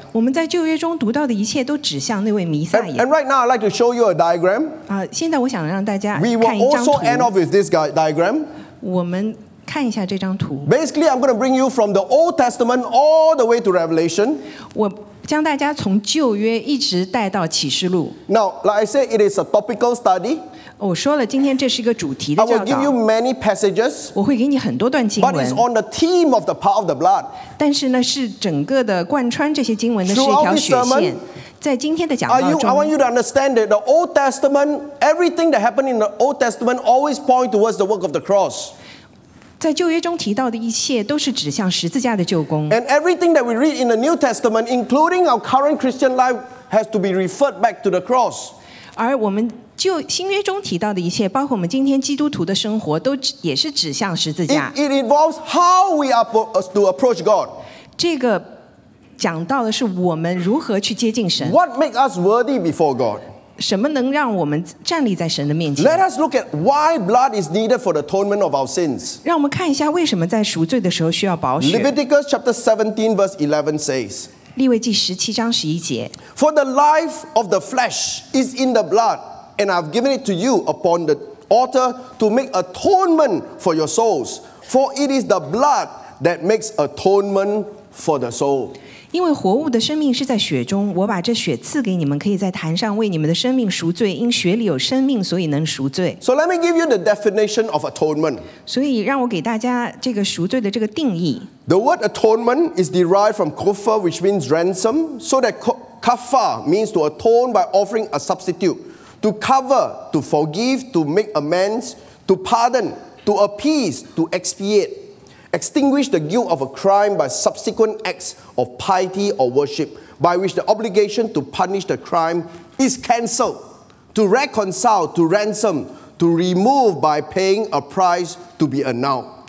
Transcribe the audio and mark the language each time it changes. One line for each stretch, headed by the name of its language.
Chinese: 我们在旧约中读到的一切都指向那位弥赛亚。
English: And right now, I'd like to show you a diagram.
Chinese: 现在我想让大家看一张图。
English: We will also end off with this diagram.
Chinese: 我们看一下这张图。
English: Basically, I'm going to bring you from the Old Testament all the way to Revelation.
Chinese: 我将大家从旧约一直带到启示录。
English: Now, like I said, it is a topical study.
Chinese: 我说了今天这是一个主题的教导。
English: I will give you many passages.
Chinese: 我会给你很多段经文。
English: But it's on the theme of the power of the blood.
Chinese: 但是呢，是整个的贯穿这些经文的是一条血线。在今天的讲道中
English: I want you to understand that the Old Testament, everything that happened in the Old Testament always point towards the work of the cross.
Chinese: 在旧约中提到的一切都是指向十字架的救工。
English: And everything that we read in the New Testament, including our current Christian life, has to be referred back to the cross.
Chinese: 而我们就新约中提到的一切，包括我们今天基督徒的生活，都也是指向十字架。
English: It involves how we are to approach God.
Chinese: 这个讲到的是我们如何去接近神。
English: What makes us worthy before God?
Chinese: 什么能让我们站立在神的面前
English: ？Let us look at why blood is needed for the atonement of our sins.
Chinese: 让我们看一下为什么在赎罪的时候需要宝血。
English: Leviticus chapter 17 verse 11 says.
Chinese: 利未记十七章十一节。
English: For the life of the flesh is in the blood. And I've given it to you upon the altar to make atonement for your souls. For it is the blood that makes atonement for the soul.
Chinese: 因为活物的生命是在血中，我把这血赐给你们，可以在坛上为你们的生命赎罪。因血里有生命，所以能赎罪。
English: So let me give you the definition of atonement.
Chinese: 所以让我给大家这个赎罪的这个定义。
English: The word atonement is derived from kuffa, which means ransom. So that kuffa means to atone by offering a substitute. To cover, to forgive, to make amends, to pardon, to appease, to expiate, extinguish the guilt of a crime by subsequent acts of piety or worship, by which the obligation to punish the crime is cancelled, to reconcile, to ransom, to remove by paying a price to be annulled.